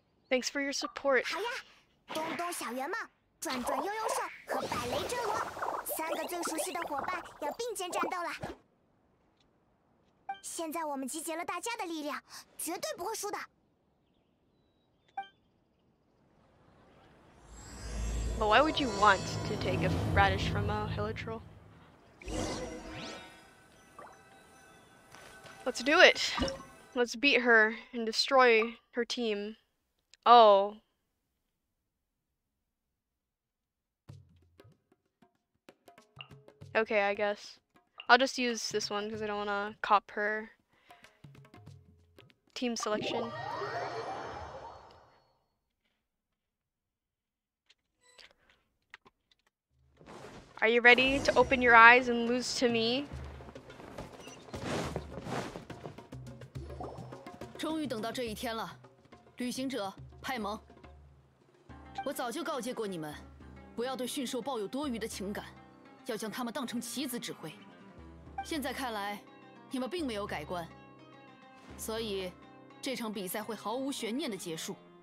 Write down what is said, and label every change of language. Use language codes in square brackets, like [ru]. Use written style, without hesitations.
[en] Thanks for your support。 [zh] 好呀，东东小圆梦。转转悠悠兽和百雷阵亡，三个最熟悉的伙伴要并肩战斗了。现在我们集结了大家的力量，绝对不会输的。 [en] But why would you want to take a radish from a helotroll? Let's do it. Let's beat her and destroy her team. Oh. Okay, I guess. I'll just use this one because I don't want to cop her team selection. Are you ready to open your eyes and lose to me? [zh] 终于等到这一天了，旅行者派蒙。我早就告诫过你们，不要对驯兽抱有多余的情感，要将他们当成棋子指挥。现在看来，你们并没有改观，所以这场比赛会毫无悬念的结束。